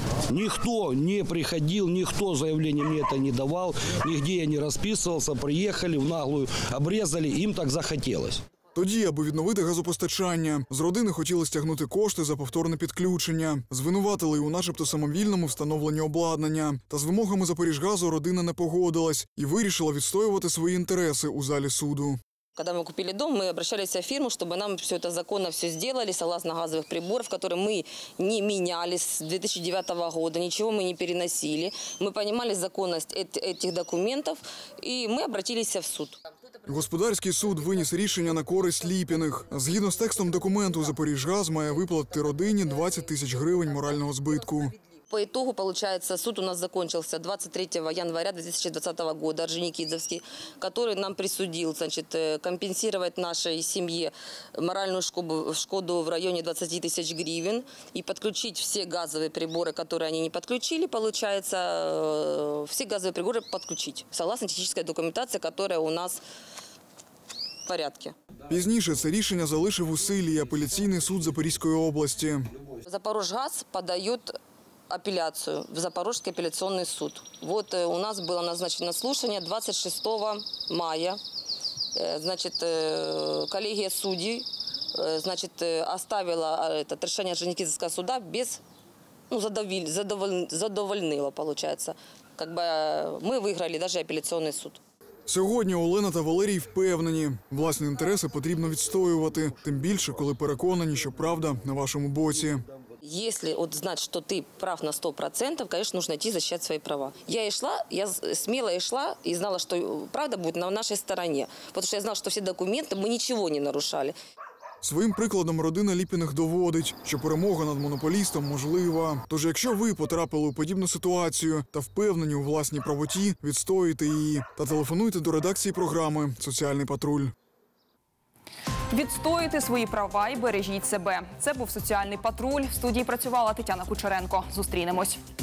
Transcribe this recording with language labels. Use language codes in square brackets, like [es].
[uk] Ніхто не приходив, ніхто заявлення мені це не давав, нігде я не розписувався, приїхали в наглую, обрізали, їм так захотілось. Тоді, аби відновити газопостачання, з родини хотіли стягнути кошти за повторне підключення. Звинуватили й у начебто самовільному встановленні обладнання. Та з вимогами «Запоріжгазу» родина не погодилась і вирішила відстоювати свої інтереси у залі суду. [ru] Когда мы купили дом, мы обращались в фирму, чтобы нам все это законно все сделали, согласно газовых приборов, которые мы не меняли с 2009 года, ничего мы не переносили. Мы понимали законность этих документов, и мы обратились в суд. [uk] Господарський суд виніс рішення на користь Ліпіних. Згідно з текстом документу, «Запоріжгаз» має виплатити родині 20 тисяч гривень морального збитку. [ru] По итогу, получается, суд у нас закончился 23 января 2020 года, Орджоникидзевский, который нам присудил, значит, компенсировать нашей семье моральную шкоду в районе 20 тысяч гривен и подключить все газовые приборы, которые они не подключили, получается, все газовые приборы подключить, согласно технической документации, которая у нас в порядке. [uk] Пізніше це рішення залишив у силі апеляційний суд Запорізької області. [ru] «Запоріжгаз» подает апелляцию в Запорожский апелляционный суд. Вот у нас было назначено слушание 26 мая. Значит, коллегия судей, значит, оставила это решение Орджоникидзевского суда без, ну, задовольнило, получается. Как бы мы выиграли даже апелляционный суд. [uk] Сьогодні Олена та Валерій впевнені, власні інтереси потрібно відстоювати, тим більше, коли переконані, що правда на вашому боці. [ru] Если вот знать, что ты прав на 100%, конечно, нужно идти защищать свои права. Я и шла, я смело и шла, и знала, что правда будет на нашей стороне. Потому что я знала, что все документы, мы ничего не нарушали. [uk] Своїм прикладом родина Ліпіних доводить, що перемога над монополістом можлива. Тож, якщо ви потрапили у подібну ситуацію та впевнені у власній правоті, відстоюйте її та телефонуйте до редакції програми «Соціальний патруль». Відстоюйте свої права і бережіть себе. Це був «Соціальний патруль». В студії працювала Тетяна Кучеренко. Зустрінемось.